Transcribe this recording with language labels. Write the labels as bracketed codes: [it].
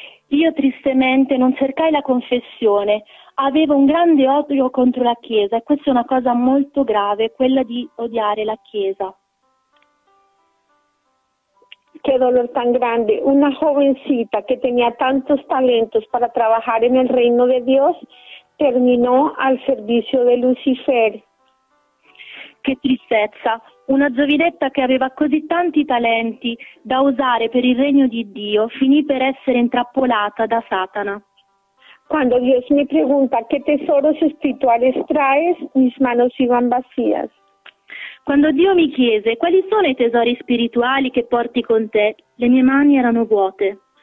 [it] Io tristemente non cercai la confessione. Avevo un grande odio contro la Chiesa e questa è una cosa molto grave, quella di odiare la Chiesa. [es] Qué dolor tan grande. Una jovencita que tenía tantos talentos para trabajar en el reino de Dios terminó al servicio de Lucifer. Qué tristeza. [it] Una giovinetta che aveva così tanti talenti da usare per il regno di Dio finì per essere intrappolata da Satana. [es] Cuando Dios me pregunta qué tesoros espirituales traes, mis manos iban vacías. [it] Quando Dio mi chiese quali sono i tesori spirituali che porti con te, le mie mani erano vuote.